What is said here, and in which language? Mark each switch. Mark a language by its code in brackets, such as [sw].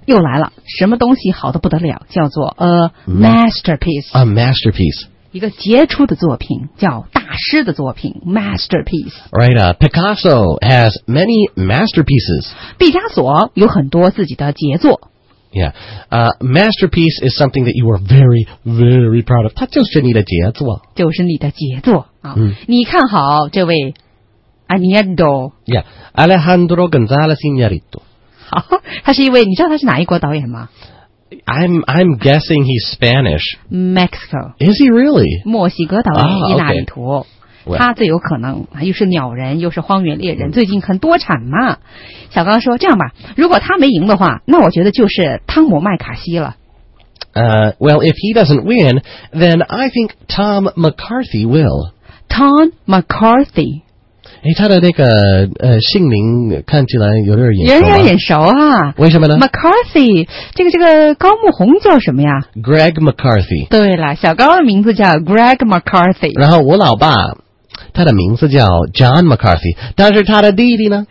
[zh] 又来了，什么东西好得不得了，叫做 [en] a masterpiece. A masterpiece. [zh] 一个杰出的作品，叫大师的作品 ,masterpiece. [en] Right, Picasso has many masterpieces. [zh] 毕加索有很多自己的杰作。 [en] Yeah, masterpiece is something that you are very, very proud of. [zh] 它就是你的杰作。就是你的杰作。嗯、你看好这位 Iñárritu [en] yeah, Alejandro González Iñárritu [zh] 他是一位，你知道他是哪一国导演吗？ [en] I'm guessing he's Spanish. Mexico. Is he really? [zh] 墨西哥导演伊纳里图、 [en] okay. [zh] 他最有可能，又是鸟人又是荒原猎人、最近很多产嘛。小刚说这样吧，如果他没赢的话，那我觉得就是汤姆麦卡锡了。 [en] Well, if he doesn't win, then I think Tom McCarthy will. Tom McCarthy. [zh] 诶，他的那个姓名看起来有点眼熟。有点眼熟啊。为什么呢 ?McCarthy, 这个高木宏叫什么呀 [en] ?Greg McCarthy. [zh] 对了，小高的名字叫 Greg McCarthy。然后我老爸他的名字叫 John McCarthy, 但是他的弟弟呢